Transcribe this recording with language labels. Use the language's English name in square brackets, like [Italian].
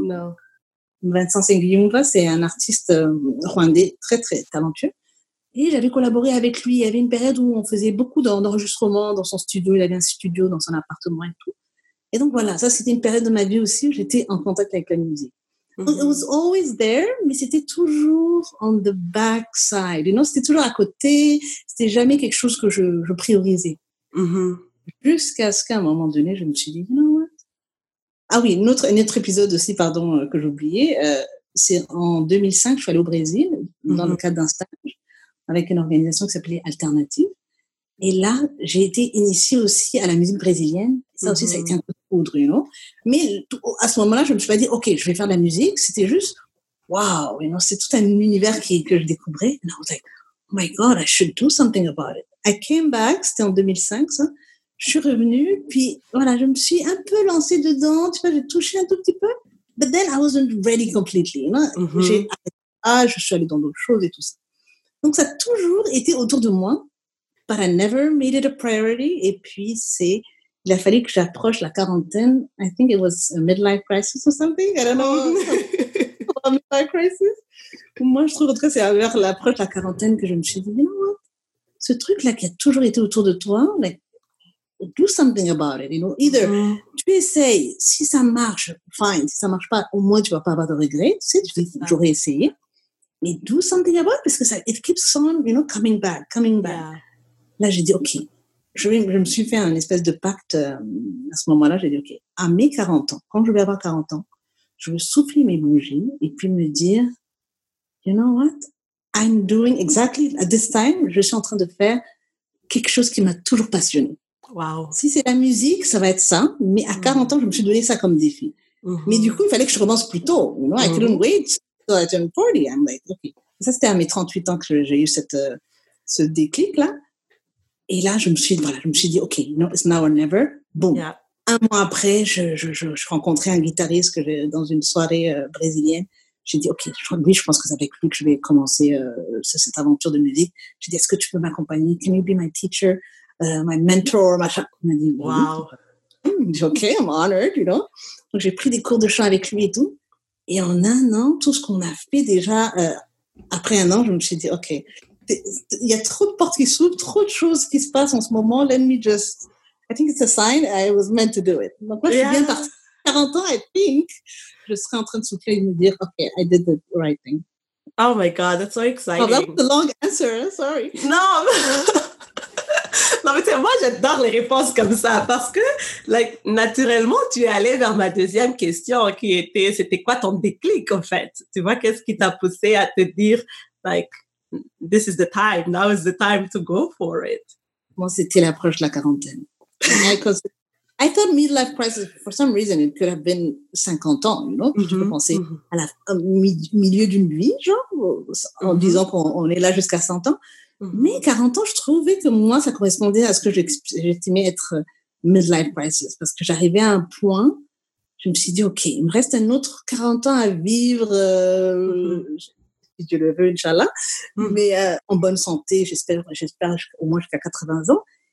[French] Non. Vincent Sengiyumva, c'est un artiste rwandais très très talentueux. Et j'avais collaboré avec lui. Il y avait une période où on faisait beaucoup d'enregistrements dans son studio. Il avait un studio dans son appartement et tout. Et donc, voilà, ça, c'était une période de ma vie aussi où j'étais en contact avec la musique. [English] It was always there, [French] mais c'était toujours [English] on the backside. [French] Et non, c'était toujours à côté. C'était jamais quelque chose que je priorisais. Jusqu'à ce qu'à un moment donné, je me suis dit, [English] you know what? [French] Ah oui, un autre épisode aussi, pardon, que j'ai oublié. C'est en 2005, je suis allée au Brésil dans le cadre d'un stage avec une organisation qui s'appelait Alternative. Et là, j'ai été initiée aussi à la musique brésilienne. Ça aussi, ça a été un peu de poudre, [English] you know. [French] Mais à ce moment-là, je me suis pas dit, OK, je vais faire de la musique. C'était juste, waouh, [English] you know, [French] c'est tout un univers que je découvrais. [English] And I was like, oh my God, I should do something about it. I came back, [French] c'était en 2005, ça. Je suis revenue, puis voilà, je me suis un peu lancée dedans. Tu vois, j'ai touché un tout petit peu. [English] But then, I wasn't ready completely, you know. [French] J'ai arrêté, je suis allée dans d'autres choses et tout ça. Donc, ça a toujours été autour de moi, [English] but I never made it a priority. [French] Et puis, il a fallu que j'approche la quarantaine. [English] I think it was a midlife crisis or something. I don't know. [French] midlife crisis. Moi, je trouve que c'est vers l'approche de la quarantaine que je me suis dit, [English] you know what? [French] Ce truc-là qui a toujours été autour de toi, [English] like, do something about it, you know? [French] Either tu essayes, si ça marche, fine, si ça marche pas, au moins tu vas pas avoir de regrets, tu sais, tu dis, j'aurais essayé. [English] Mais do something about it, [French] parce que ça, [English] it keeps on, you know, coming back. [French] Yeah. Là, j'ai dit, OK. Je me suis fait un espèce de pacte à ce moment-là. J'ai dit, OK, à mes 40 ans, quand je vais avoir 40 ans, je veux souffler mes bougies et puis me dire, [English] you know what? I'm doing exactly at this time, [French] je suis en train de faire quelque chose qui m'a toujours passionné. [English] Wow. [French] Si c'est la musique, ça va être ça. Mais à 40 ans, je me suis donné ça comme défi. Mm-hmm. Mais du coup, il fallait que je commence plus tôt. [English] You know, I couldn't wait till I turn 40. I'm like, OK. [French] Ça, c'était à mes 38 ans que j'ai eu ce déclic-là. Et là, je me suis dit, OK, [English] no, it's now or never. Boom. Yeah. [French] Un mois après, je rencontrais un guitariste que j'ai, dans une soirée brésilienne. J'ai dit, OK, je pense que c'est avec lui que je vais commencer cette aventure de musique. J'ai dit, est-ce que tu peux m'accompagner? [English] Can you be my teacher, my mentor, machin? [French] Il m'a dit, wow. J'ai [English] dit, OK, I'm honored, you know. [French] Donc, j'ai pris des cours de chant avec lui et tout. Et en un an, tout ce qu'on a fait déjà, après un an, je me suis dit, OK, il y a trop de portes qui s'ouvrent, trop de choses qui se passent en ce moment. [English] Let me just... I think it's a sign. I was meant to do it. [French] Donc, moi, je suis bien partie. 40 ans, [English] I think, [French] je serais en train de souffler et me dire, [English] OK, I did the right thing. Oh my God, that's so exciting. Oh, that was the long answer, sorry. [French] Non, non mais moi, j'adore les réponses comme ça parce que, like, naturellement, tu es allée vers ma deuxième question qui était, c'était quoi ton déclic, en fait? Tu vois, qu'est-ce qui t'a poussé à te dire, [English] like, this is the time, now is the time to go for it. [French] Moi, c'était l'approche de la quarantaine. [English] I thought midlife crisis, for some reason, it could have been [French] 50 ans, [English] you know? [French] Je peux penser à la milieu d'une vie, genre, en disant qu'on est là jusqu'à 100 ans. Mais 40 ans, je trouvais que moi, ça correspondait à ce que j'estimais être midlife crisis. Parce que j'arrivais à un point, je me suis dit, OK, il me reste un autre 40 ans à vivre, si Dieu le veut, Inch'Allah, mais en bonne santé, j'espère au moins jusqu'à 80 ans.